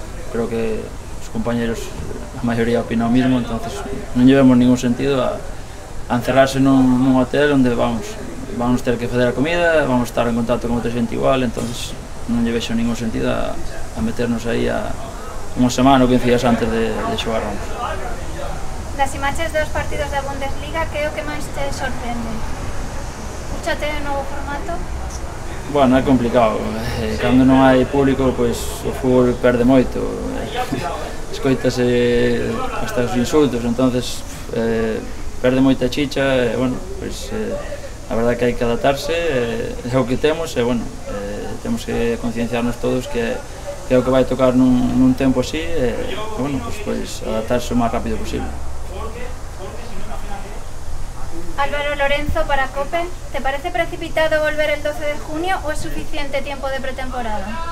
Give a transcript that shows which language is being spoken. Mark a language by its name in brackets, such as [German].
[Spanish] Creo que los compañeros, la mayoría opina lo mismo, entonces no llevamos ningún sentido a encerrarse en un hotel donde vamos a tener que hacer la comida, vamos a estar en contacto con otra gente igual, entonces no llevamos ningún sentido a meternos ahí a una semana o 15 días antes de jugar. Las imágenes de los partidos de la Bundesliga, creo que más te sorprende. ¿Escúchate el nuevo formato? Bueno, es complicado. Cuando no hay público, pues el fútbol perde mucho. [Galician] Escoitas hasta os insultos, entonces perde moita chicha, bueno, pues a verdade que hai que adaptarse, é o que temos, bueno, temos que concienciarnos todos que é o que vai tocar nun tempo así, bueno, pues adaptarse o máis rápido posible. [Spanish] Álvaro Lorenzo para COPE, ¿te parece precipitado volver el 12 de junio o es suficiente tiempo de pretemporada?